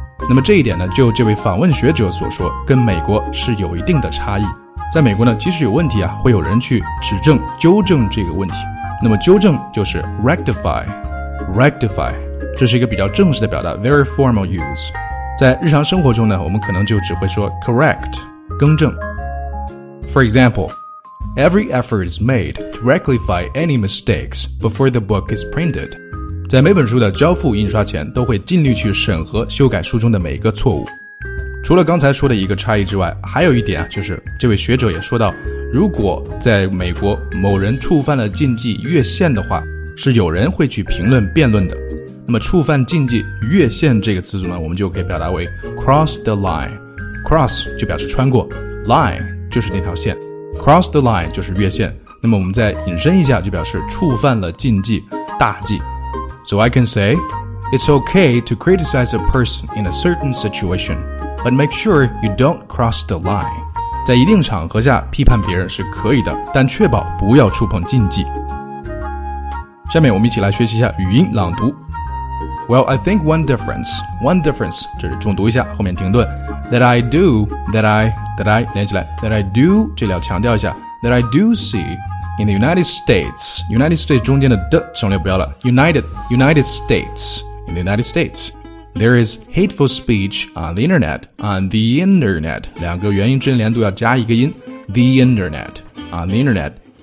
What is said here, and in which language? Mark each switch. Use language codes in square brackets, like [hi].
[zh] 那么这一点呢，就这位访问学者所说，跟美国是有一定的差异。在美国呢，即使有问题啊，会有人去指正纠正这个问题。那么纠正就是 rectify, rectify, 这是一个比较正式的表达， [en] very formal use。 [zh] 在日常生活中呢，我们可能就只会说 correct, 更正。 [en] For example, every effort is made to rectify any mistakes before the book is printed. [zh] 在每本书的交付印刷前，都会尽力去审核修改书中的每一个错误。除了刚才说的一个差异之外，还有一点啊，就是这位学者也说到，如果在美国某人触犯了禁忌越线的话，是有人会去评论辩论的。那么触犯禁忌越线这个词组呢，我们就可以表达为 cross the line， cross 就表示穿过， line 就是那条线， cross the line 就是越线。那么我们再引申一下，就表示触犯了禁忌，大忌。 [en] So I can say it's okay to criticize a person in a certain situation, but make sure you don't cross the line。 [zh] 在一定场合下批判别人是可以的，但确保不要触碰禁忌。下面我们一起来学习一下语音朗读。 [en] Well, I think one difference, [zh] 这是重读一下，后面停顿。 [en] That I [zh] 连起来 ， [en] that I do [zh] 这里要强调一下 [en] ，that I do see in the United States, United States [zh] 中间的的省略不要了 [en] ，United States, in the United States, there is hateful speech on the internet, on the internet, [zh] 两个元音之间连读要加一个音 [en] ，the internet, on the internet,